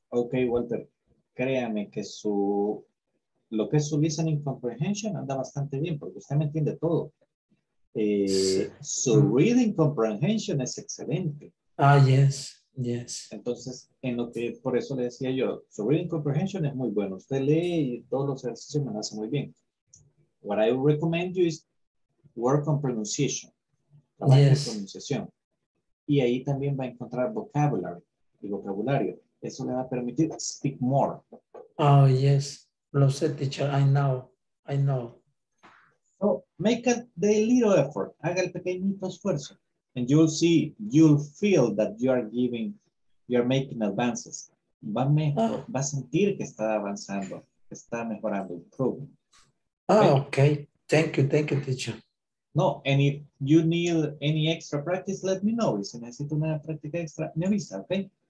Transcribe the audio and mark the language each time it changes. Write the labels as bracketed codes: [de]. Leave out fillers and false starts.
[es] Ok, Walter, créame que lo que es su listening comprehension anda bastante bien, porque usted me entiende todo. Su reading comprehension es excelente. [en] Ah, yes, yes. [es] Entonces, en lo que por eso le decía yo, su reading comprehension es muy bueno. Usted lee y todos los ejercicios me lo hace muy bien. [en] What I would recommend you is work on pronunciation. [es] Trabajar en pronunciación. Y ahí también va a encontrar vocabulary y vocabulario. Eso le va a permitir [en] speak more. Oh, yes. [es] Lo sé, [en] teacher. I know. So, make a little effort. [es] Haga el pequeñito esfuerzo. [en] And you'll see, you'll feel that you're making advances. [es] Va a sentir que está avanzando, que está mejorando, improving. [en] Oh, okay. Thank you, teacher. No, and if you need any extra practice, let me know. [es] Si necesito una práctica extra, me avisa, okay?